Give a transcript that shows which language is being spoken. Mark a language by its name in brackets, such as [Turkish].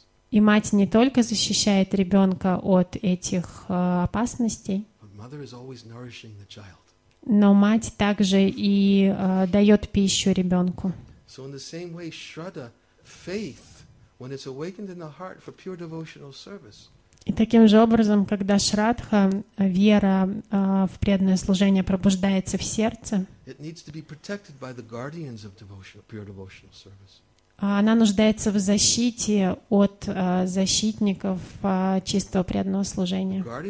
[Russian] И мать не только защищает ребенка от этих опасностей, [English] mother is always nourishing the child. [Russian] Но мать также и дает пищу ребенку. [English] So in the same way, Shraddha, faith, when it's awakened in the heart for pure devotional service. [Russian] И таким же образом, когда Шрадха, вера в преданное служение пробуждается в сердце, [English] it needs to be protected by the guardians of devotional, pure devotional service. [Russian] Она нуждается в защите от защитников чистого преданного служения.